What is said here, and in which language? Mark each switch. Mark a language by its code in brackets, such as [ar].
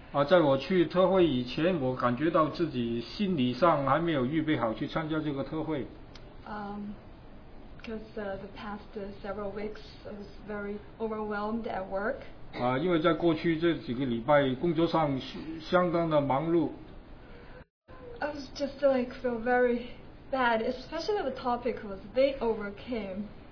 [zh] 在我去特会以前, 我感觉到自己心理上还没有预备好去参加这个特会。 [en] Because the past several weeks, I was very overwhelmed at work. [zh] 因为在过去这几个礼拜, 工作上相当的忙碌。 [en] I was just like feel very bad, especially the topic was they overcame.